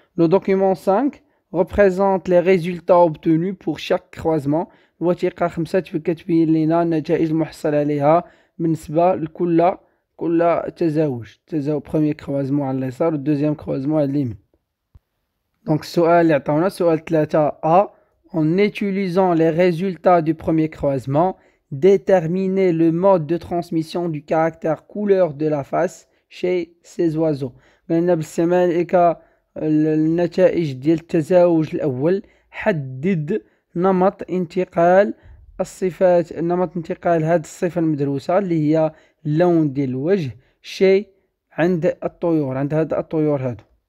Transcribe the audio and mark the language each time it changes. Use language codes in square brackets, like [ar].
[fr] لو دوكيمون 5 représente les résultats obtenus pour chaque croisement. [ar] الوثيقة خمسة تبين لنا النتائج المحصلة عليها بالنسبة لكل تزاوج، تزاوج [fr] بخومي كروازمون [ar] على اليسار [fr] والدوزيام كروازمون [ar] على اليمين. دونك السؤال اللي عطاونا سؤال ثلاثة A، [fr] en utilisant les résultats du premier croisement, déterminer le mode de transmission du caractère couleur de la face chez ces oiseaux. [ar] قلنا بالاستعمال النتائج ديال التزاوج الأول، حدد نمط انتقال الصفات، نمط انتقال هذه الصفة المدروسة اللي هي لون ديال الوجه شيء عند الطيور، عند هاد الطيور هادو.